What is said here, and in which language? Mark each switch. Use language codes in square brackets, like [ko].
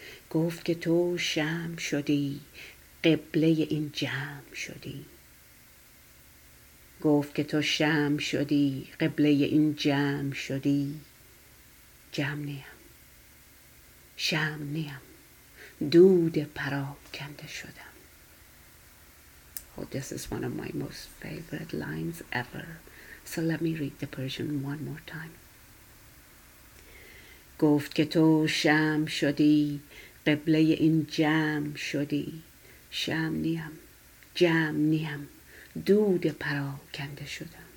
[fa] گفت که تو شمع شدی. قبله این جمع شدی. گفت که تو شمع شدی، قبله این جمع شدی. جمع نیم، شمع نیم، دود پراکنده شدم. [en] Oh, this is one of my most favorite lines ever. So let me read the Persian one more time. [fa] گفت که تو شمع شدی، قبله این جمع شدی. شمع نیم، جمع نیم، دود پراکنده شدم.